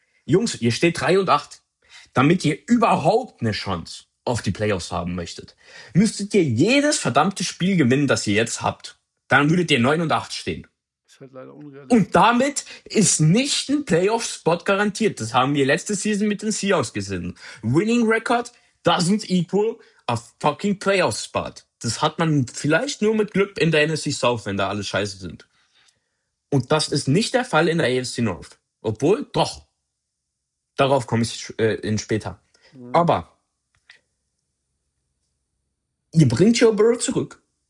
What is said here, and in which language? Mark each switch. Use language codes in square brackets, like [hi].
[de] Jungs, ihr steht 3 und 8. Damit ihr überhaupt eine Chance auf die Playoffs haben möchtet, müsstet ihr jedes verdammte Spiel gewinnen, das ihr jetzt habt. Dann würdet ihr 9 und 8 stehen. Halt leider Und unrealistisch. damit ist nicht ein Playoff-Spot garantiert. Das haben wir letzte Season mit den Seahawks gesehen. [en] Winning Record doesn't equal a fucking Playoff-Spot. [de] Das hat man vielleicht nur mit Glück in der NFC South, wenn da alle scheiße sind. Und das ist nicht der Fall in der AFC North. Obwohl, doch. Darauf komme ich in später. Aber ihr bringt Joe Burrow zurück.